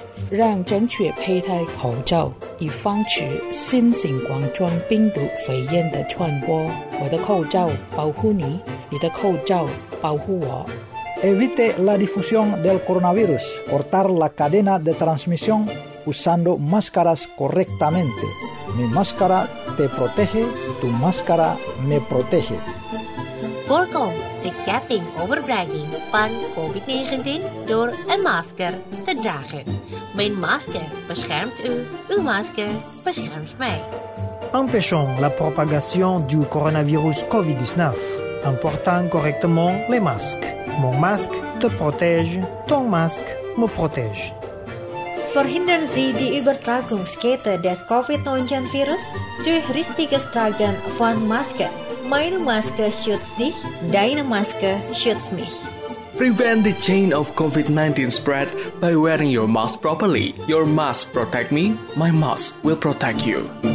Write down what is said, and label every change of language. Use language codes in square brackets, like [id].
[zh] 让正确佩戴口罩，以防止新型冠状病毒肺炎的传播。我的口罩保护你，你的口罩保护我。 [es] Evite la difusión del coronavirus, cortar la cadena de transmisión usando máscaras correctamente. Mi máscara te protege, tu máscara me protege. [nl] voorkom de ketting overbrenging van COVID-19 door een masker te dragen. Mijn masker beschermt u, uw masker beschermt mij. [fr] Empêchons la propagation du coronavirus COVID-19 en portant correctement les masques. Mon masque te protège, ton masque me protège. [de] Verhinderen Sie die Übertragungskette des COVID-19 Virus durch richtiges Tragen von Maske. Meine Maske schützt dich, deine Maske schützt mich. [en] Prevent the chain of COVID-19 spread by wearing your mask properly. Your mask protect me, my mask will protect you.